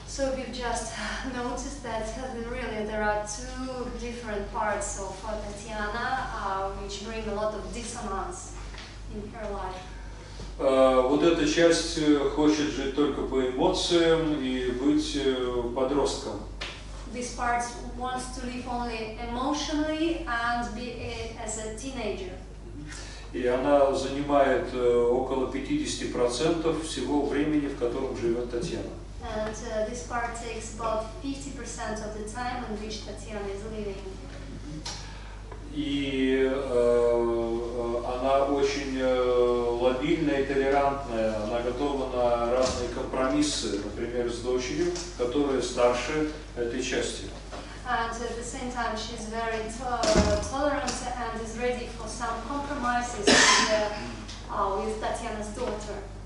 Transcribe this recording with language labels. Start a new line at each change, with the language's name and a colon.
English: So we've just noticed that really there are two different parts of Татьяна, which bring a lot of dissonance in her life.
Russian: Вот эта часть хочет жить только по эмоциям и быть подростком.
English: This part wants to live only emotionally and be as a teenager.
Russian: И она занимает около 50% всего времени, в котором живет Татьяна.
English: And this part takes about 50% of the time in which Татьяна is living.
Russian: И она очень лоббильная и толерантная. Она готова на разные компромиссы, например, с дочерью, которая старше этой части.
English: And at the same time she's very tolerant and is ready for some compromises with Татьяна's daughter,